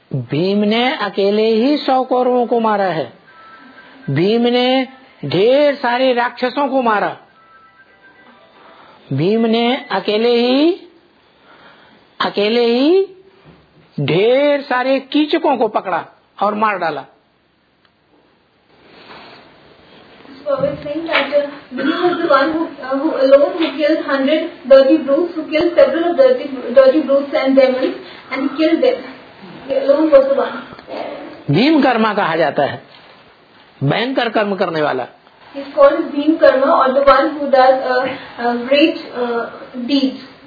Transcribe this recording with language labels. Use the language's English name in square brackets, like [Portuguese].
[Hindi] भीम ने अकेले ही 100 कौरवों को मारा है, भीम ने ढेर सारे राक्षसों को मारा, भीम ने अकेले ही ढेर सारे कीचकों को पकड़ा और मार डाला। [English] Baba is saying that Vini was the one who alone who killed 100 dirty brutes, who killed several of dirty brutes and demons, and killed them. He alone was the one. [Hindi] Bhim Karma कहा जाता है, भयंकर कर्म करने वाला. [English] He's called Bhim karma or the one who does great deeds.